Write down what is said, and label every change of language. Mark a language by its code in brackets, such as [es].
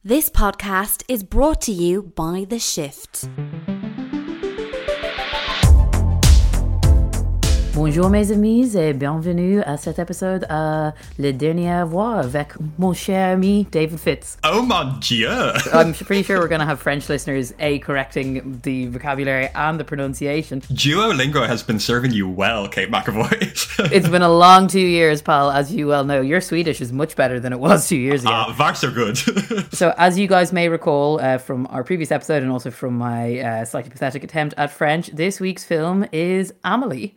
[en] This podcast is brought to you by The Shift. [fr] Bonjour mes amis et bienvenue à cet épisode à Le Dernier Voix avec mon cher ami David Fitz. Oh mon dieu! [en] I'm pretty sure we're going to have French listeners A, correcting the vocabulary and the pronunciation. Duolingo has been serving you well, Kate McAvoy. It's been a long 2 years, pal, as you well know. Your Swedish is much better than it was 2 years ago. Vars are good. So as you guys may recall from our previous episode and also from my slightly pathetic attempt at French, this week's film is Amélie.